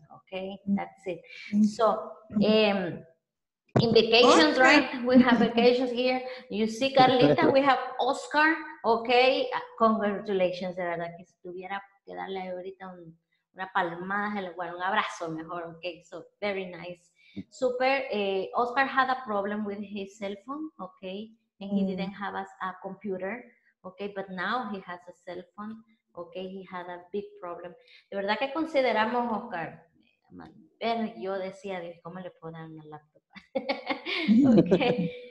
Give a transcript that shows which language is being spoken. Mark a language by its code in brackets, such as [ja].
[en] Okay, that's it. So, in vacations, Oscar. Right? We have vacations here. You see, Carlita, we have Oscar. Okay, congratulations. [es] De verdad que si tuviera que darle ahorita una palmada, bueno, un abrazo mejor. [en] Okay, so very nice. Super. Oscar had a problem with his cell phone. Okay, and he didn't have a computer. Okay, but now he has a cell phone. Okay, he had a big problem. [es] De verdad que consideramos, Oscar. Pero yo decía, ¿cómo le puedo dar una laptop? Okay.